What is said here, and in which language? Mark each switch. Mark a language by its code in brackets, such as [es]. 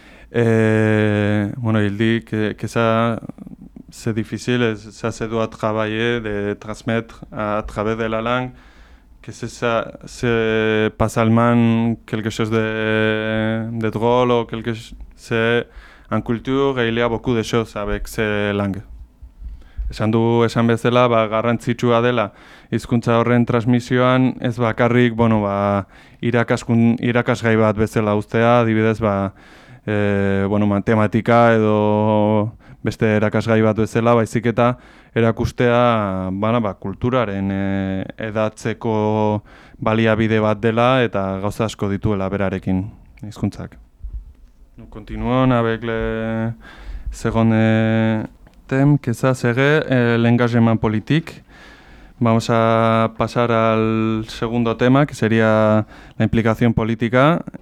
[fr] Bueno, il dit que ça, c'est difficile, ça se doit travailler, de transmettre à travers de la langue, que c'est ça, c'est pas seulement quelque chose de drôle, ou quelque chose, c'est en culture, et il y a beaucoup de choses avec ces langues. [eu] Esan du esan bezala, ba, garrantzitsua dela hizkuntza horren transmisioan ez bakarrik, bueno, ba, irakasgai bat bezala uztea, adibidez, ba, bueno, matematika edo beste irakasgai bat bezala, baizik eta erakustea, bana, ba, kulturaren edatzeko baliabide bat dela eta gauza asko dituela berarekin hizkuntzak. [fr] Continuon avec le second thème que ça serait l'engagement politique. [es] Vamos a pasar al segundo tema que sería la implicación política.